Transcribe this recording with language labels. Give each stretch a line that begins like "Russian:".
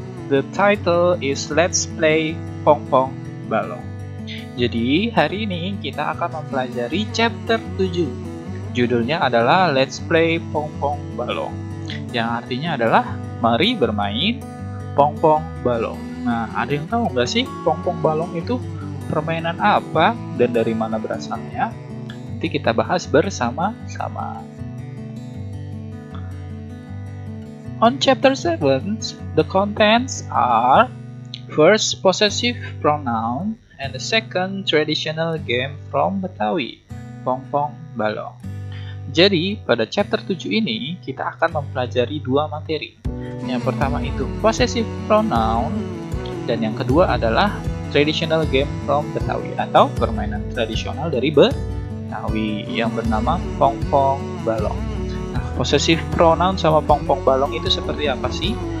English: The title is Let's Play Pong Pong Balong.
Indonesian: Jadi, hari ini kita akan mempelajari chapter 7. Judulnya adalah Let's Play Pong Pong Balong. Yang artinya adalah mari bermain pong pong balong. Nah, ada yang tahu nggak sih pong-pong balong itu permainan apa dan dari mana berasalnya? Nanti kita bahas bersama-sama.
English: On chapter 7, the contents are first possessive pronoun and the second traditional game from Betawi, pong-pong balong.
Indonesian: Jadi, pada chapter 7 ini, kita akan mempelajari dua materi. Yang pertama itu possessive pronoun, dan yang kedua adalah
English: traditional game from Betawi
Indonesian: atau permainan tradisional dari Betawi yang bernama pong-pong balong. Nah, possessive pronoun sama pong-pong balong itu seperti apa sih?